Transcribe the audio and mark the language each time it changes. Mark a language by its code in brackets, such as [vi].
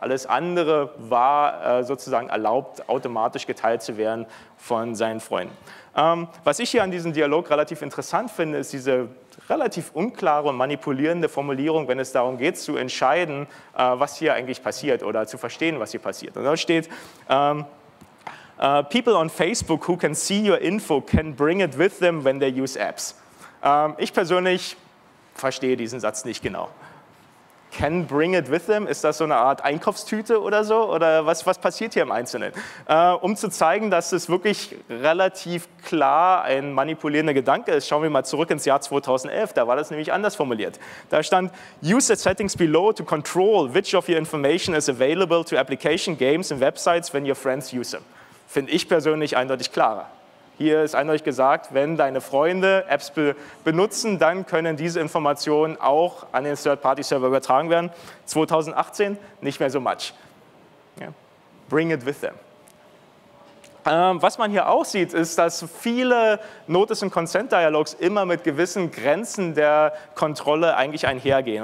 [de] Alles andere war sozusagen erlaubt, automatisch geteilt zu werden von seinen Freunden. Was ich hier an diesem Dialog relativ interessant finde, ist diese relativ unklare und manipulierende Formulierung, wenn es darum geht, zu entscheiden, was hier eigentlich passiert oder zu verstehen, was hier passiert. Und da steht: [en] people on Facebook who can see your info can bring it with them when they use apps. [de] Ich persönlich verstehe diesen Satz nicht genau. [en] Can bring it with them, [de] ist das so eine Art Einkaufstüte oder so? Oder was passiert hier im Einzelnen? Um zu zeigen, dass es wirklich relativ klar ein manipulierender Gedanke ist, schauen wir mal zurück ins Jahr 2011. Da war das nämlich anders formuliert. Da stand: [en] use the settings below to control which of your information is available to application games and websites when your friends use them. [de] Finde ich persönlich eindeutig klarer. Hier ist eindeutig gesagt, wenn deine Freunde Apps benutzen, dann können diese Informationen auch an den Third-Party-Server übertragen werden. [en] 2018 [de] nicht mehr [en] so much. Yeah. Bring it with them. [de] Was man hier auch sieht, ist, dass viele Notice- und Consent-Dialogs immer mit gewissen Grenzen der Kontrolle eigentlich einhergehen.